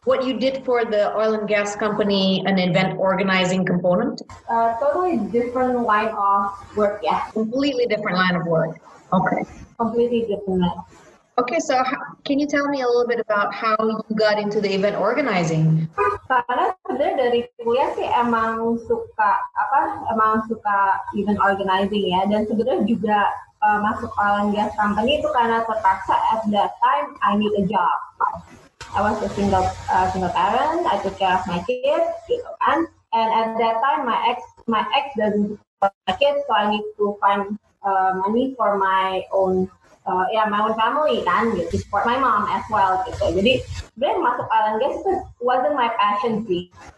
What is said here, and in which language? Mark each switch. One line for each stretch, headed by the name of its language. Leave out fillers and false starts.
English: What you did for the oil and gas company, an event organizing component? Totally different line of work, yeah. Completely different line of work. Okay. Completely different. Okay, so can you tell me a little bit about how you got into the event organizing?
Indonesian: Karena sebenarnya dari kuliah sih emang suka event organizing ya, dan sebenarnya juga masuk
English: oil and gas company
Indonesian: itu karena terpaksa.
English: At that time, I need a job. I was a single parent. I took care of my kids, you know, and at that time, my ex doesn't support my kids, so I need to find money for my own. My own family kan, to support my mom as well gitu.
Indonesian: Jadi, sebenarnya masuk
English: oil and gas itu wasn't my passion sih.